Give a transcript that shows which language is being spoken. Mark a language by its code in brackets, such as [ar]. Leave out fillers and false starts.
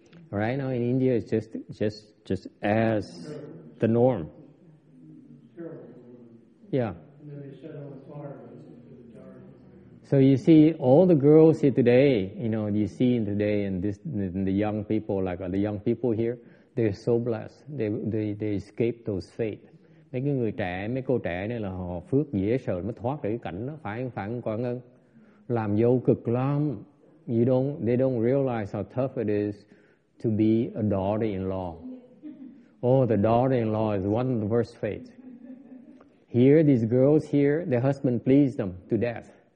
[en] Right now in India, it's just as the norm. Terrible. Yeah. And then they set on fire. So you see, all the girls here today, you know, you see today in this, in the young people, like the young people here, they're so blessed. They escape those fate. [vi] Mấy cái người trẻ, mấy cô trẻ này là họ phước dễ sợ mới thoát được cái cảnh đó. Phải quả ngân. Làm dâu cực lắm. [en] They don't realize how tough it is to be a daughter-in-law. Oh, the daughter-in-law is one of the worst fates. Here, these girls here, their husband pleased them to death.